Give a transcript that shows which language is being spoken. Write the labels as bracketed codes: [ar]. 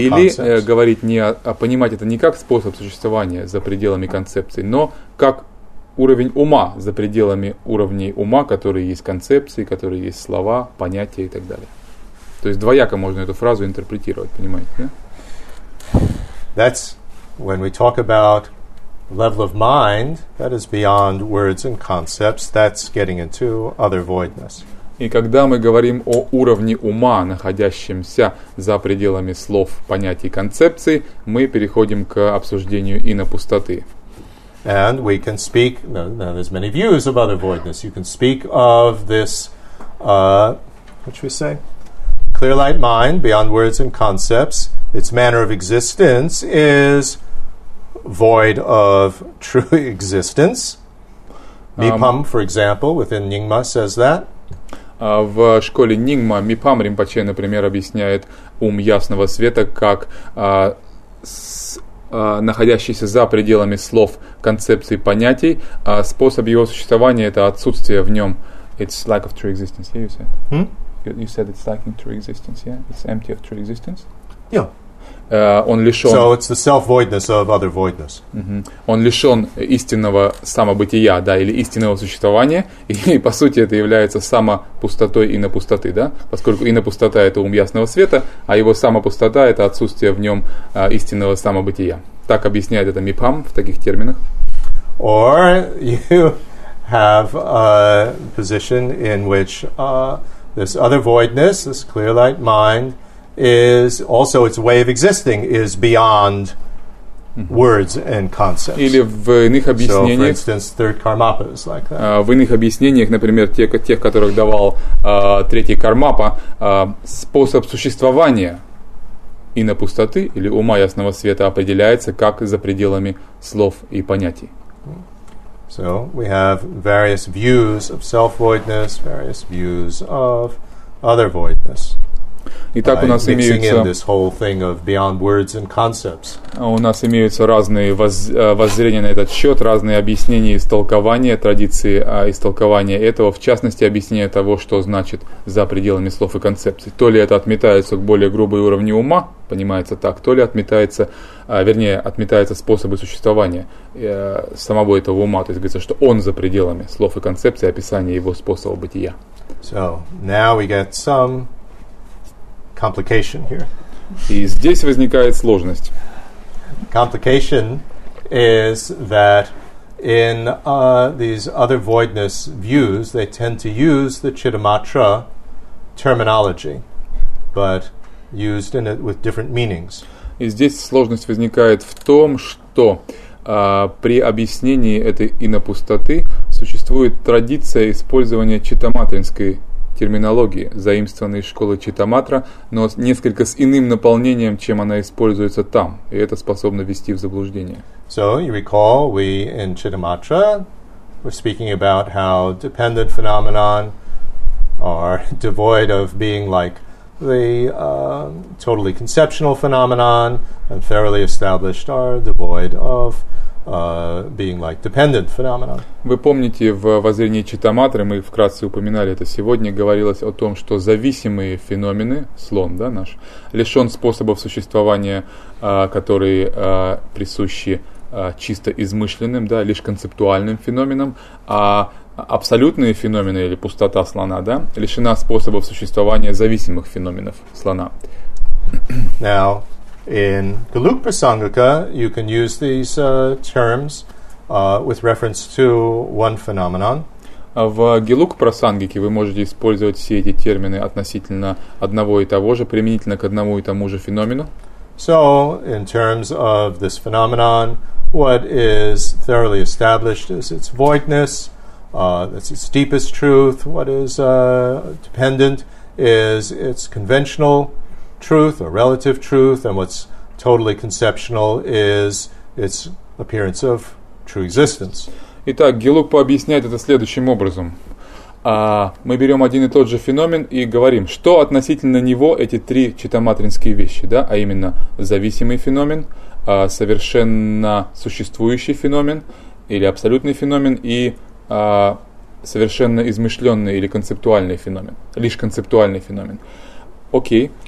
[ru] или, [en] concepts. [ru] Или говорить не о понимать это не как способ существования за пределами концепций, но как уровень ума за пределами уровней ума, которые есть концепции, которые есть слова, понятия и так далее. То есть двояко можно эту фразу интерпретировать, понимаете, да? [en] That's when we talk about level of mind that is beyond words and concepts, that's getting into other voidness. [ru] И когда мы говорим о уровне ума, находящемся за пределами слов, понятий, концепций, мы переходим к обсуждению инопустоты. [en] And we can speak, there's many views of other voidness. You can speak of this, what should we say? Clear light mind, beyond words and concepts. Its manner of existence is void of true existence. Mipham, for example, within Nyingma says that. [ru] В школе Нингма Мипам Ринпоче, например, объясняет ум ясного света как находящийся за пределами слов, концепций, понятий. Способ его существования — это отсутствие в нем. [en] It's lack of true existence, yeah, you said? You said it's lacking true existence, yeah? It's empty of true existence? Yeah. [ru] Он лишен... [en] So it's the self-voidness of other voidness. [ru] Он лишен истинного самобытия, да, или истинного существования, и по сути это является самопустотой инопустоты, да, поскольку инопустота — это ум ясного света, а его самопустота — это отсутствие в нем истинного самобытия. Так объясняет это Мипам в таких терминах. [en] Or you have a position in which this other voidness, this clear light mind, is also its way of existing, is beyond words and concepts. [ru] Или в иных объяснениях, [en] so, for instance, third кармапа is like that. [ru] В иных объяснениях, например, тех, которых давал третий кармапа, способ существования инопустоты или ума ясного света определяется как за пределами слов и понятий. [en] So we have various views of self-voidness, various views of other voidness. [ru] Итак, у нас имеются [en] this whole thing of beyond words and concepts. [ru] У нас имеются разные воззрения на этот счет, разные объяснения и истолкования, традиции истолкования этого, в частности, объяснение того, что значит за пределами слов и концепций. То ли это отметается к более грубой уровне ума, понимается так, то ли отметается, вернее, отметается способы существования самого этого ума, то есть говорится, что он за пределами слов и концепций, описание его способа бытия. [en] So, now we get some complication here. [ru] И здесь возникает сложность. [en] Complication is that in these other voidness views, they tend to use the Chittamatra terminology, but used in it with different meanings. [ru] И здесь сложность возникает в том, что при объяснении этой инопустоты существует традиция использования читаматринской терминологии, заимствованной из школы Читаматра, но несколько с иным наполнением, чем она используется там, и это способно ввести в заблуждение. [en] So, you recall, we in Chittamatra were speaking about how dependent phenomena are devoid of being like the totally conceptual phenomena, and thoroughly established are devoid of being like dependent phenomenon. [ru] Вы помните, в воззрении Читаматры, мы вкратце упоминали это сегодня, говорилось о том, что зависимые феномены, слон, да, наш, лишен способов существования, которые присущи чисто измышленным, да, лишь концептуальным феноменам, а абсолютные феномены или пустота слона, да, лишена способов существования зависимых феноменов слона. [en] Now, in Galuk Prasangika, you can use these terms with reference to one phenomenon. [ru] В Галук Прасангике вы можете использовать все эти термины относительно одного и того же, применительно к одному и тому же феномену. [en] So, in terms of this phenomenon, what is thoroughly established is its voidness, that's its deepest truth. What is dependent is its conventional truth or relative truth, and what's totally conceptual is its appearance of true existence. [ru] Итак, Гелугпа объясняет это следующим образом. Мы берем один и тот же феномен и говорим, что относительно него эти три читаматринские вещи, да, а именно зависимый феномен, совершенно существующий феномен или абсолютный феномен и совершенно измышленный или концептуальный феномен, лишь концептуальный феномен. Окей.